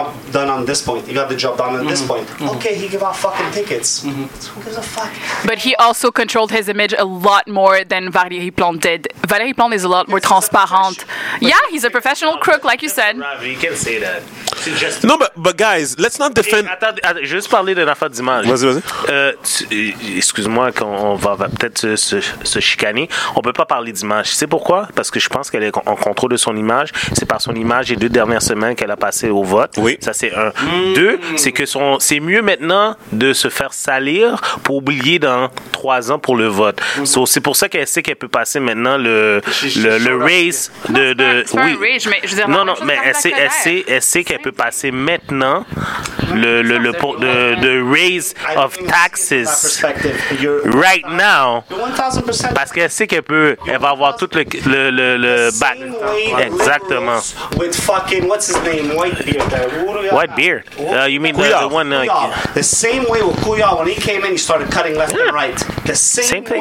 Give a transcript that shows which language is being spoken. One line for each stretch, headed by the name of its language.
English: He got the job done on this point. He got the job done on this point. Mm-hmm. Okay, he gave out fucking tickets. Mm-hmm. Who gives a fuck? But he also controlled his image a lot more than Valérie Plante did. Valérie Plante is a lot more transparent. Yeah, he's a professional crook, like you said. You can say that. Non, but guys, let's not defend.
French: Hey, attends, je vais juste parler d'une affaire d'image. Vas-y. Excuse-moi, qu'on va peut-être se chicaner. On peut pas parler d'image. C'est pourquoi? Parce que je pense qu'elle est en contrôle de son image. C'est par son image les deux dernières semaines qu'elle a passé au vote. Oui. Ça, c'est un. Deux, c'est que c'est mieux maintenant de se faire salir pour oublier dans 3 ans pour le vote. So, c'est pour ça qu'elle sait qu'elle peut passer maintenant le race de. Non, c'est pas oui. Un race, mais je veux dire, non, mais elle sait qu'elle peut passer maintenant le pour de
English: raise of taxes right now
French: parce qu'elle sait qu'elle peut elle va avoir tout le back exactement
English: with fucking what's his name white beard you mean Kuyaw. The one the same way with Kuyaw when he came in he started cutting left and right the same thing.